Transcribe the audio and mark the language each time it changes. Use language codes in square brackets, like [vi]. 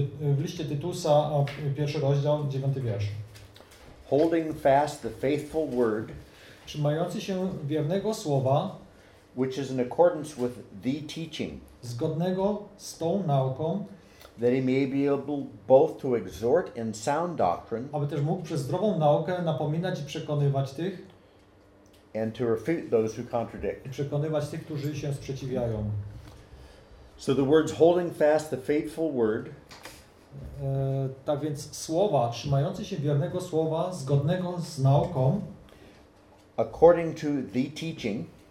[pl] W liście Tytusa, pierwszy rozdział, 9 wiersz. [en] Holding fast the faithful word, [pl] trzymający się wiernego słowa, [en] which is in accordance with the teaching, [pl] zgodnego z tą nauką, [en] that he may be able both to exhort in sound doctrine, [pl] aby też mógł przez zdrową naukę napominać i przekonywać tych, [en] and to refute those who contradict. [pl] I przekonywać tych, którzy się sprzeciwiają. [en] So the words holding fast the faithful word. [pl] Tak więc słowa, trzymający się wiernego słowa, zgodnego z nauką. [en] According to the teaching.